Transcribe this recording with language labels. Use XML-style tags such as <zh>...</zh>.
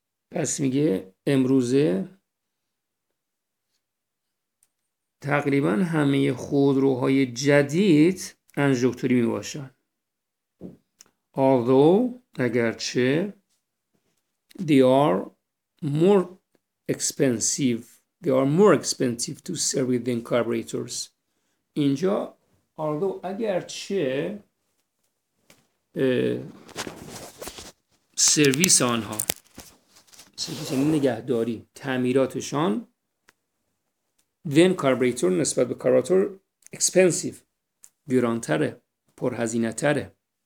<fa>پس میگه امروزه تقریبا همه خودروهای جدید انژکتوری میباشن.</fa> <en>Although</en> <fa>اگرچه</fa> <en>they are more expensive to service than carburetors.</en> <fa>اینجا</fa> <en>although</en> <fa>اگرچه سرویس آنها، سرویس نگهداری، تعمیراتشان</fa> <en>than carburetor</en> <fa>نسبت به carburetor</fa> <en>expensive</en> <fa>گرانتره، پرهزینه تره.</fa>